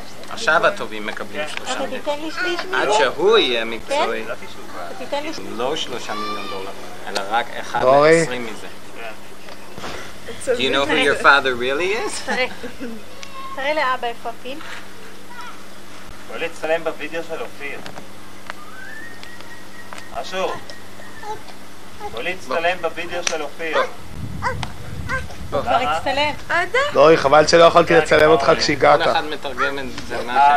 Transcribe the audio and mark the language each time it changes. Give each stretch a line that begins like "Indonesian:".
Hebrew: עכשיו הטובים מקבלים 3 מיליון. אתה תיתן לי שליש מזה? עד שהוא יהיה מקצועי. כן? אתה תיתן לי שליש. לא 3 מיליון דולר, אלא רק 1 ל-20 מזה.
English: Do you know who your father really is?
Hebrew: תראה לאבא איפה פיל. בוא לצלם בווידאו של אופיר. אשו. בוא לצלם בווידאו של אופיר. לא, היא חבל שלא יכולתי לצלם אותך כשהגעת. כל אחד מתרגם את זה מה